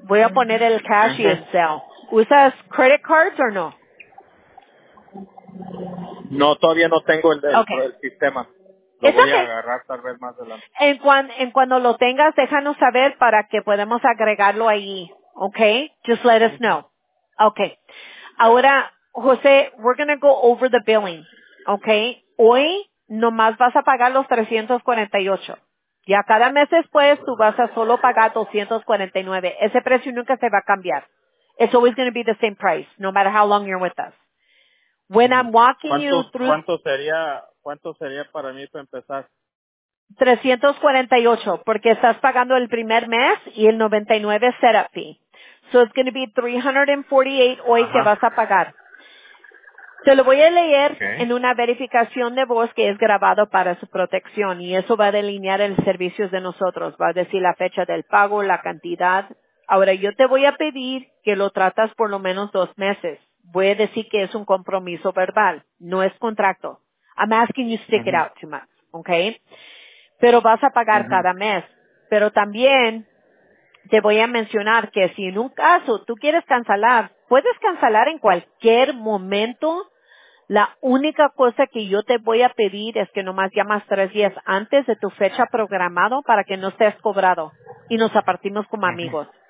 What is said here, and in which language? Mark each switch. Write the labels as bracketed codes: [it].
[es] Voy a poner el cash y el sale. ¿Usas [en] credit cards or no? [es] No, todavía no tengo el sistema. Lo voy a agarrar tal vez más adelante. En cuando lo tengas, déjanos saber para que podamos agregarlo ahí. [en] Okay? Just let us know. Okay. [es] Ahora, [en] José, we're going to go over the billing. [es] Okay? Hoy nomás vas a pagar los 348. Y a cada mes después, tú vas a solo pagar 249. Ese precio nunca se va a cambiar. [en] It's always going to be the same price, no matter how long you're with us. When I'm walking you through... [es] ¿Cuánto sería para mí para empezar? 348, porque estás pagando el primer mes y el 99 setup fee. [en] So it's going to be 348 [es] hoy que vas a pagar. Te lo voy a leer en una verificación de voz que es grabado para su protección y eso va a delinear el servicio de nosotros. Va a decir la fecha del pago, la cantidad. Ahora, yo te voy a pedir que lo tratas por lo menos 2 meses. Voy a decir que es un compromiso verbal, no es contrato. [en] I'm asking you to stick it out 2 months, okay? [es] Pero vas a pagar cada mes. Pero también te voy a mencionar que si en un caso tú quieres cancelar, puedes cancelar en cualquier momento. La única cosa que yo te voy a pedir es que nomás llamas 3 días antes de tu fecha programado para que no estés cobrado y nos apartimos como amigos.